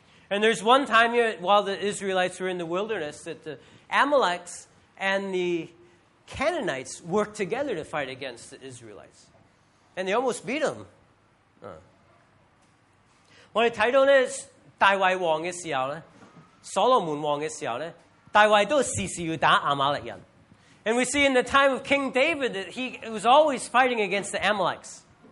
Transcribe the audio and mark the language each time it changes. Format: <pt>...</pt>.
<en>And there's one time here, while the Israelites were in the wilderness, that the Amalekites and the Canaanites worked together to fight against the Israelites. And they almost beat them.</en> <zh>我们看到大卫王的时候,所罗门王的时候,大卫都时时要打阿玛力人.</zh> <en>And we see in the time of King David that he was always fighting against the Amalekites.</en>